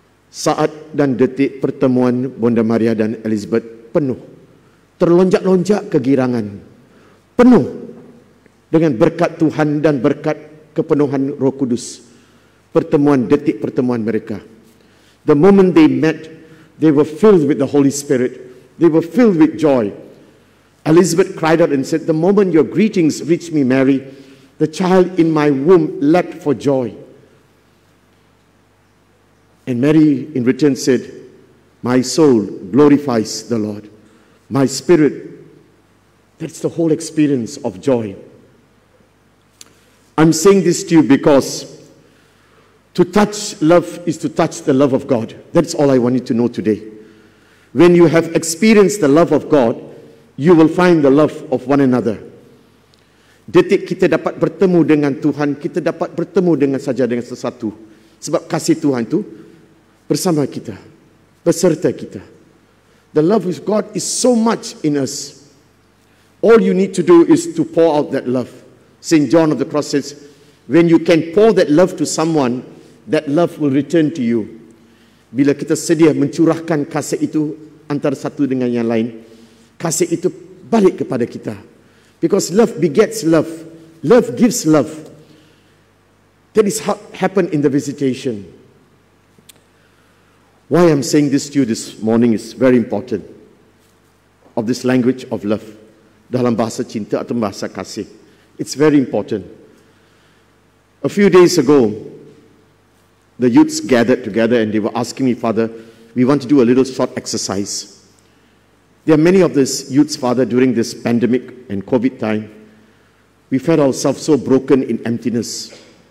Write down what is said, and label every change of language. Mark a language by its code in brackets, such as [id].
[ms] Saat dan detik pertemuan Bunda Maria dan Elizabeth penuh. Terlonjak-lonjak kegirangan. Penuh dengan berkat Tuhan dan berkat kepenuhan Roh Kudus. Pertemuan, detik pertemuan mereka. [en] The moment they met, they were filled with the Holy Spirit. They were filled with joy. Elizabeth cried out and said, the moment your greetings reached me, Mary, the child in my womb leapt for joy. And Mary in return said, my soul glorifies the Lord. My spirit, that's the whole experience of joy. I'm saying this to you because to touch love is to touch the love of God. That's all I want you to know today. When you have experienced the love of God, you will find the love of one another. [ms] Detik kita dapat bertemu dengan Tuhan, kita dapat bertemu dengan saja dengan sesatu. Sebab kasih Tuhan itu bersama kita, beserta kita. [en] The love of God is so much in us. All you need to do is to pour out that love. St. John of the Cross says, when you can pour that love to someone, that love will return to you. [ms] Bila kita sedia mencurahkan kasih itu antara satu dengan yang lain, kasih itu balik kepada kita. [en] Because love begets love. Love gives love. That is what happened in the visitation. Why I'm saying this to you this morning is very important. Of this language of love. [ms] Dalam bahasa cinta atau bahasa kasih. [en] It's very important. A few days ago, the youths gathered together and they were asking me, Father, we want to do a little short exercise. There are many of these youths, Father, during this pandemic and COVID time, we felt ourselves so broken in emptiness.